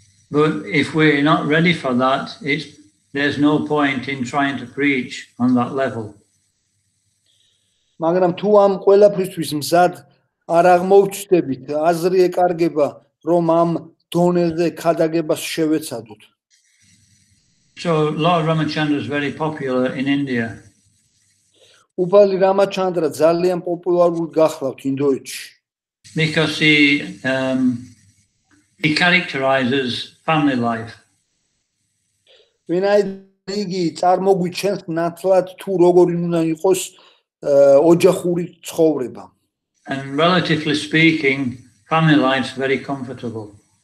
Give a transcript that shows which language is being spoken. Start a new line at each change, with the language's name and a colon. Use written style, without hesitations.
English: But if we're not ready for that, it's there's no point in trying to preach on that level.
Georgian: მაგრამ თუ ამ ყველაფრისთვის მზად არ აღმოჩნდებით, აზრი ეკარგება, რომ ამ დონეზე ხადაგებას შევეცადოთ.
English: So Lord Ramachandra is very popular in India.
Georgian: Upali Ramachandra ძალიან პოპულარულ გახლავთ ინდოეთში.
English: Because he characterizes family life. When I
Georgian: იგი წარმოგვიჩენს ნათლად თუ როგორი უნდა იყოს ოჯახური ცხოვრება.
English: And relatively speaking, family life is very comfortable.